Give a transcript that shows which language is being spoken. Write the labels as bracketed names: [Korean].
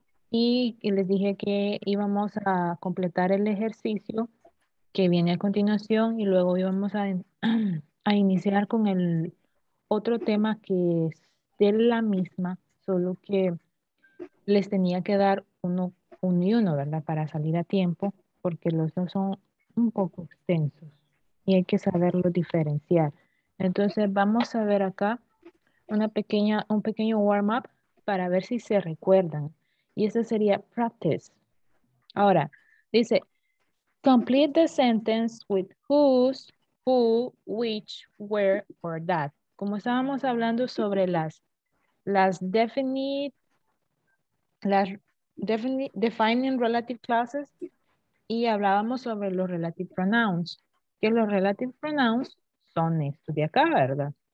[Spanish] Y les dije que íbamos a completar el ejercicio que viene a continuación y luego íbamos a iniciar con el otro tema que es de la misma, solo que les tenía que dar uno y uno, ¿verdad? Para salir a tiempo, porque los dos son un poco extensos y hay que saberlo diferenciar. Entonces vamos a ver acá un pequeño warm-up para ver si se recuerdan. Y ese sería practice. Ahora, dice, [English] complete the sentence with whose, who, which, where, or that. [Spanish] Como estábamos hablando sobre las [English] defining relative clauses [Spanish] y hablábamos sobre los [English] relative pronouns. [Spanish] Que los [English] relative pronouns [Spanish] son estos de acá, ¿verdad?